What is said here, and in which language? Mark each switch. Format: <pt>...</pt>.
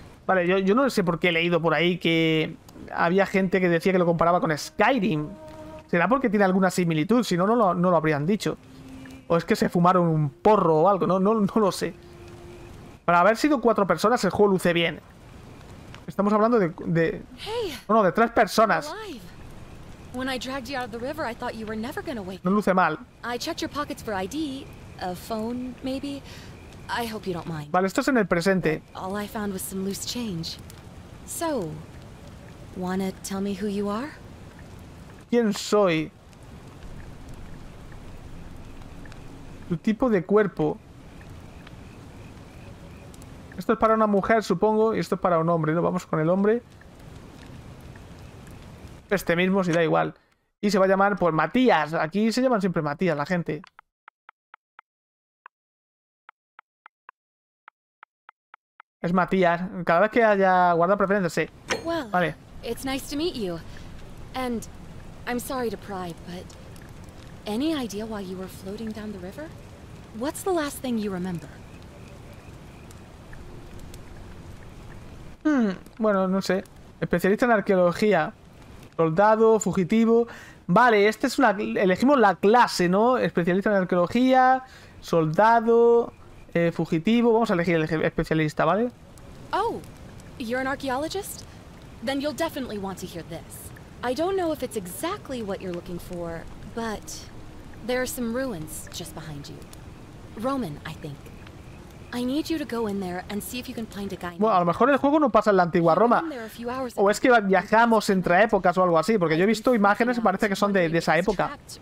<es>Vale, yo no sé por qué he leído por ahí que había gente que decía que lo comparaba con Skyrim. ¿Será porque tiene alguna similitud? Si no, no lo habrían dicho. O es que se fumaron un porro o algo, no lo sé. Para haber sido cuatro personas, el juego luce bien. Estamos hablando de bueno, de tres personas.</es> <en>When I dragged you out of the river, I thought you were never gonna wake up.</en> <es>No luce mal.</es> <en>I checked your pockets for ID, a phone, maybe. I hope you don't mind.</en> <es>Vale, esto es en el presente.</es> <en>All I found was some loose change. So, wanna tell me who you are?</en> <es>¿Quién soy? Tu tipo de cuerpo. Esto es para una mujer, supongo, y esto es para un hombre, ¿no? Vamos con el hombre. Este mismo, si da igual. Y se va a llamar, pues, Matías. Aquí se llaman siempre Matías, la gente. Es Matías. Cada vez que haya guardado preferencias, sí.</es> <en>Well,</en> <es>vale.</es> <en>It's nice to meet you. And I'm sorry to pry, but any idea why you were floating down the river? What's the last thing you remember?</en> <es>Bueno, no sé. Especialista en arqueología. Soldado, fugitivo. Vale, este es una. Elegimos la clase, ¿no? Especialista en arqueología. Soldado. Fugitivo. Vamos a elegir el especialista, ¿vale?</es> <en>Oh, you're an archaeologist? Then you'll definitely want to hear this. I don't know if it's exactly what you're looking for, but there are some ruins just behind you. Roman, I think. I need you to go in there and see if you can find a guy.</en> <es>Bueno, a lo mejor el juego no pasa en la antigua Roma. O es que viajamos entre épocas o algo así, porque yo he visto imágenes y parece que son de esa época.</es>